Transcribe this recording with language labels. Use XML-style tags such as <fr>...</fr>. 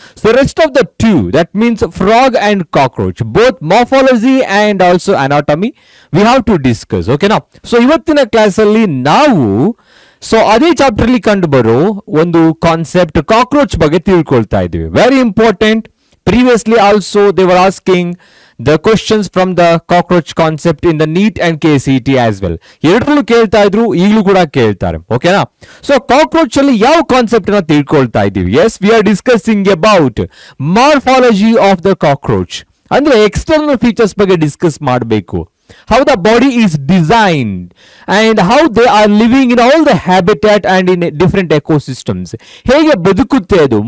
<en>So rest of the two, that means frog and cockroach, both morphology and also anatomy we have to discuss, ಓಕೆನಾ?</en> <kn>So ಇವತ್ತಿನ class ಅಲ್ಲಿ ನಾವು so ಅದೇ chapter ಅಲ್ಲಿ ಕಂಡು ಬರೋ ಒಂದು ಕಾನ್ಸೆಪ್ಟ್ ಕಾಕ್ರೋಚ್ ಬಗ್ಗೆ ತಿಳ್ಕೊಳ್ತಾ ಇದ್ದೀವಿ.</kn> <en>Very important. Previously also they're asking the questions from the cockroach concept in the NEET and KCET as well.</en> <kn>ಎರಡರಲ್ಲೂ ಕೇಳ್ತಾ ಇದ್ರು, ಈಗಲೂ ಕೂಡ ಕೇಳ್ತಾರೆ, ಓಕೆನಾ? ಸೊ ಕಾಕ್ರೋಚ್ ಅಲ್ಲಿ ಯಾವ ಕಾನ್ಸೆಪ್ಟ್ ಅನ್ನ ತಿಳ್ಕೊಳ್ತಾ ಇದ್ದೀವಿ?</kn> <en>yes, we are discussing about morphology of the cockroach,</en> <kn>ಅಂದ್ರೆ ಎಕ್ಸ್ಟರ್ನಲ್ ಫೀಚರ್ಸ್ ಬಗ್ಗೆ ಡಿಸ್ಕಸ್ ಮಾಡಬೇಕು.</kn> <en>how the body is design and how they are living in all the habitat and in different ecosystems,</en> <kn>ಹೇಗೆ ಬದುಕುತ್ತೆ ಅದು.</kn>